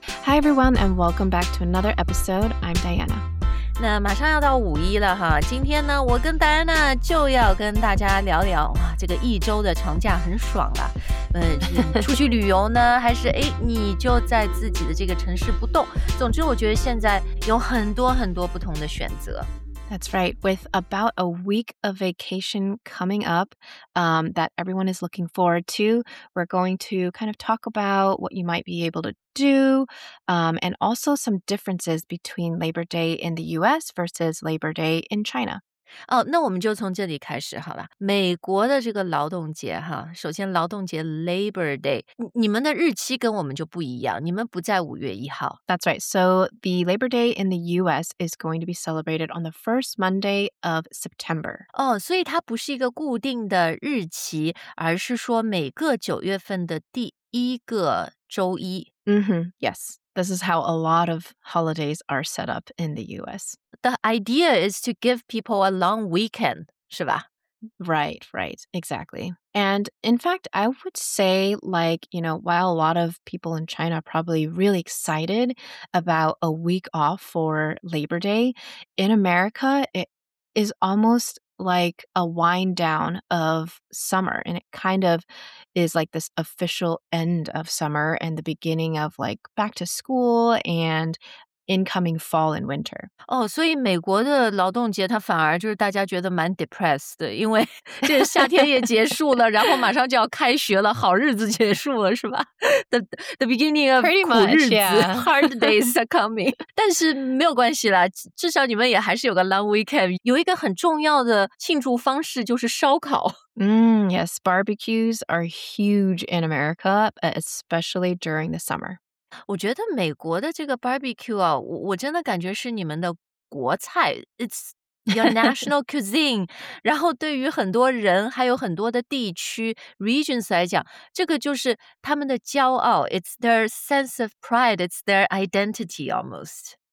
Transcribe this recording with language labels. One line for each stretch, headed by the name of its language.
English: Hi everyone and welcome back to another episode. I'm Diana.
Chinese: 那马上要到五一了哈，今天呢，我跟 Diana 就要跟大家聊聊哇，这个一周的长假很爽啊。出去旅游呢，还是你就在自己的这个城市不动？总之，我觉得现在有很多很多不同的选择。
English: That's right. With about a week of vacation coming up, that everyone is looking forward to, we're going to kind of talk about what you might be able to do, and also some differences between Labor Day in the U.S. versus Labor Day in China.
Chinese: 哦，那我们就从这里开始好了。美国的这个劳动节哈，首先劳动节 Labor Day， 你们的日期跟我们就不一样，你们不在五月一号。
English: That's right. So the Labor Day in the U.S. is going to be celebrated on the first Monday of September.
Chinese: 哦，所以它不是一个固定的日期，而是说每个九月份的第一个周一。
English: Mm-hmm. Yes. This is how a lot of holidays are set up in the U.S. The idea is to give people a long weekend,
Chinese: 是吧?
English: Right, right, exactly. And in fact, I would say, like, you know, while a lot of people in China are probably really excited about a week off for Labor Day, in America, it is almost... like a wind down of summer, and it kind of is like this official end of summer and the beginning of like back to school and incoming fall and winter.
Chinese: Oh, 所以美国的劳动节它反而就是大家觉得蛮 depressed 的，因为这夏天也结束了，然后马上就要开学了，好日子结束了，是吧？
English: The beginning of pretty much, yeah. Hard days are coming.
Chinese: 但是没有关系啦，至少你们也还是有个
English: long weekend.
Chinese: 有一个很重要的庆祝方式就是烧烤。
English: Yes, barbecues are huge in America, especially during the summer.
Chinese: 我觉得美国的这个 barbecue 啊，我真的感觉是你们的国菜 ，
English: it's your national cuisine 。
Chinese: 然后对于很多人，还有很多的地区 regions 来讲，这个就是他们的骄傲 ，
English: it's their sense of pride，it's their identity almost。